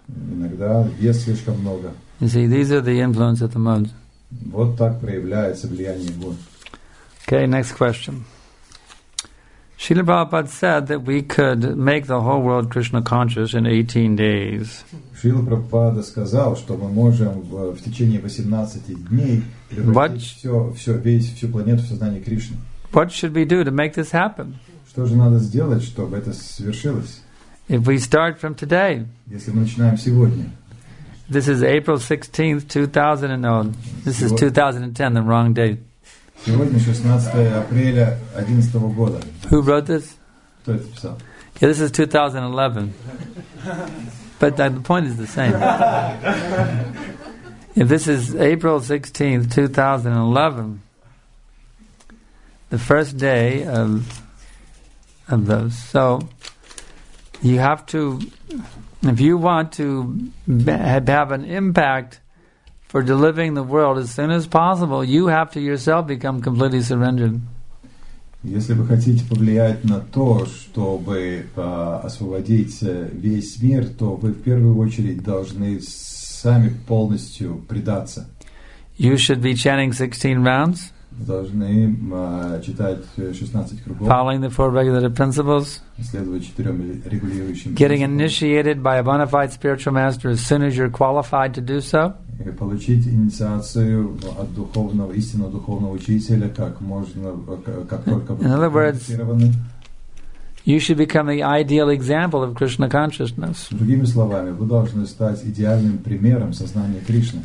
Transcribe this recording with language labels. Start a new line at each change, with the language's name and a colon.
Russian: Иногда ест слишком много.
English: You see, these are the influence of the mood.
Russian: Вот так проявляется влияние гун.
English: Okay, next question. Srila Prabhupada said that we could make the whole world Krishna conscious in 18 days.
Russian: Srila Prabhupada сказал, что мы можем в течение 18 дней превратить всю планету в сознание Кришны.
English: What should we do to make this happen?
Russian: Что же надо сделать, чтобы это свершилось?
English: If we start from today.
Russian: Если мы начинаем сегодня.
English: This is April 16th, 2000. No, this is 2010, the wrong date.
Russian: Сегодня 16 апреля 2011 года.
English: Who wrote this?
Russian: Кто это писал?
English: Yeah, this is 2011. But the point is the same. If this is April 16th, 2011, the first day of those. So you have to, if you want to have an impact for delivering the world as soon as possible, you have to yourself become completely surrendered.
Russian: Если вы хотите повлиять на то, чтобы освободить весь мир, то вы в первую очередь должны сами полностью предаться.
English: You should be chanting 16 rounds.
Russian: Должны читать 16 кругов.
English: Following the four regulative principles.
Russian: Следовать четырем регулирующим.
English: Getting initiated by a bona fide spiritual master as soon as you're qualified to do so.
Russian: Получить инициацию от духовного истинного духовного учителя как можно как только вы.
English: In other words, you should become the ideal example of Krishna consciousness.
Russian: Другими словами, вы должны стать идеальным примером сознания Кришны.